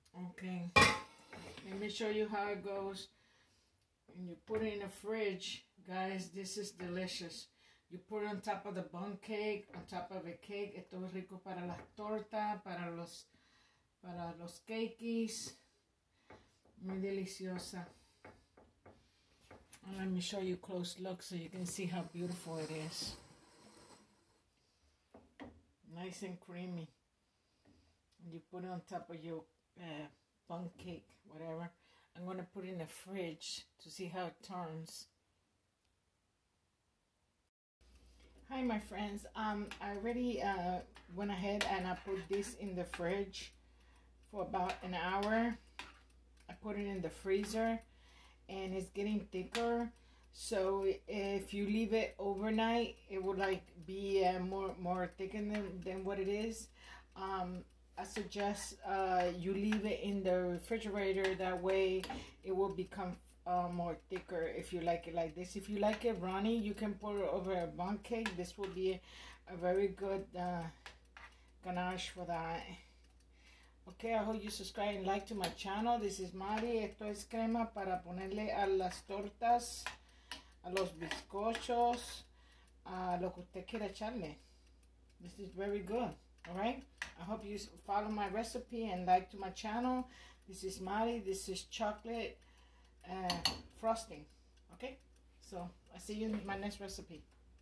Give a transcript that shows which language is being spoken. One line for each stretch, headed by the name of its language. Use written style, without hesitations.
English: Okay, let me show you how it goes. And you put it in the fridge, guys, this is delicious. You put it on top of the bundt cake, on top of a cake.
Spanish: Esto es rico para las tortas, para los cakes. Muy deliciosa.
English: And let me show you close look so you can see how beautiful it is. Nice and creamy. And you put it on top of your bundt cake, whatever. I'm going to put it in the fridge to see how it turns. Hi, my friends. I already went ahead and I put this in the fridge for about an hour. I put it in the freezer and it's getting thicker. So if you leave it overnight, it would like be more thickened than what it is. I suggest you leave it in the refrigerator. That way it will become more thicker if you like it like this. If you like it runny, you can pour it over a bundt cake. This will be a very good ganache for that. Okay, I hope you subscribe and like to my channel. This is Mari.
Spanish: Esto es crema para ponerle a las tortas, a los bizcochos, a lo que usted quiera echarle.
English: This is very good. All right, I hope you follow my recipe and like to my channel. This is Mari. This is chocolate frosting. Okay, so I see you in my next recipe.